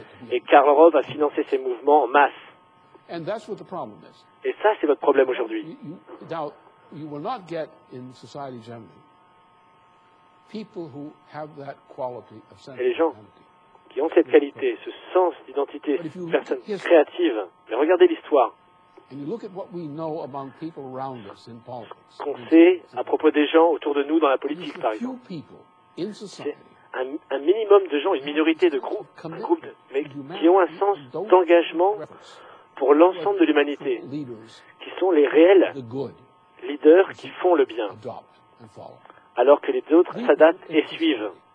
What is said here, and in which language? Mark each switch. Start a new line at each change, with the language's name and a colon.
French: Et Karl Rove a financé ces mouvements en masse. Et ça, c'est votre problème aujourd'hui. Et les gens qui ont cette qualité, ce sens d'identité, cette personne créative, mais regardez l'histoire.
English: And you look at what we know among people around us in politics.
French: Ce qu'on sait à propos des gens autour de nous dans la politique, par exemple. C'est un minimum de gens, une minorité de groupes, mais qui ont un sens d'engagement pour l'ensemble de l'humanité, qui sont les réels leaders qui font le bien, alors que les autres s'adaptent et suivent.